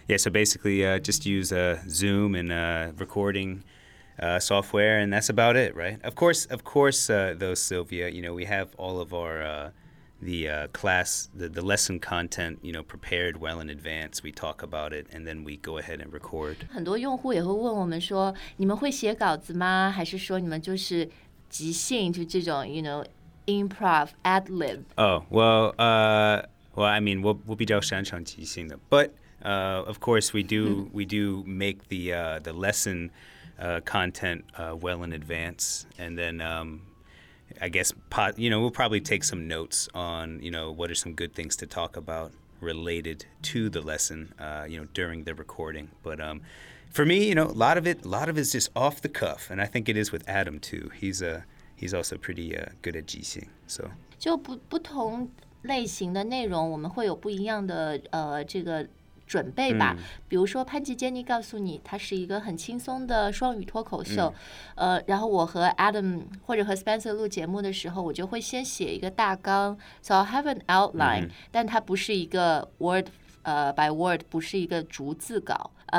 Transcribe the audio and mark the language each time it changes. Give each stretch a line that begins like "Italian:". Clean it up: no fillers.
English: Yeah, so basically just use Zoom and recordingsoftware, and that's about it, right? Of course, though, Sylvia, you know, we have all of our the lesson content, you know, prepared well in advance. We talk about it, and then we go ahead and record.
Chinese: 很多用户也会问我们说，你们会写稿子吗？还是说你们就是即兴，就这种
English: you know, improv, ad lib? Oh, well, I mean, we'll be
Chinese: 较擅长即兴的
English: but of course, we do make the lesson content well in advance, and then I guess, you know, we'll probably take some notes on, you know, what are some good things to talk about related to the lesson, you know, during the recording. But for me, you know, a lot of it is just off the cuff. And I think it is with Adam, too. He's also pretty good at 即兴, so.
Chinese: 就不同类型的内容，我们会有不一样的这个准备吧。比如说潘吉坚尼告诉你他是一个很轻松的双语脱口秀，然后我和 Adam 或者和 Spencer 录节目的时候，我就会先写一个大纲，
English: So I'll have an outline，
Chinese: 但它不是一个
English: word by word，
Chinese: 不是一个逐字稿。